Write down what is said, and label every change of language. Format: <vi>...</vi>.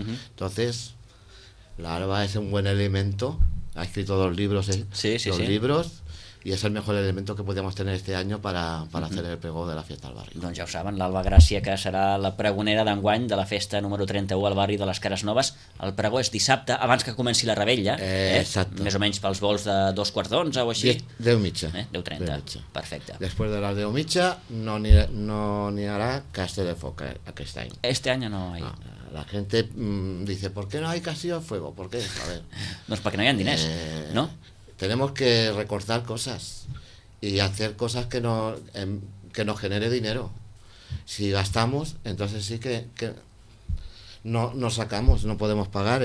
<es>Entonces, la Alba es un buen elemento, ha escrito dos libros, libros, y es el mejor elemento que podíamos tener este año para hacer el prego de la fiesta al barrio.</es> <ca>Doncs ja ho saben, l'Alba Gràcia, que serà la pregonera d'enguany de la festa número 31 al barri de les Cares Noves. El pregó és dissabte, abans que comenci la revetlla, més o menys pels vols de 10:15 o així. 10:30. 10:30, perfecte. Després de les 10:30 no n'hi haurà castell de foc aquest any. Este any no hi ha. Ah.</ca> <es>La gente dice, ¿por qué no hay castillo de fuego? ¿Por qué? A ver. Pues para que no hayan dinero, ¿no? Tenemos que recortar cosas y hacer cosas que nos genere dinero. Si gastamos, entonces sí que no sacamos, no podemos pagar.</es>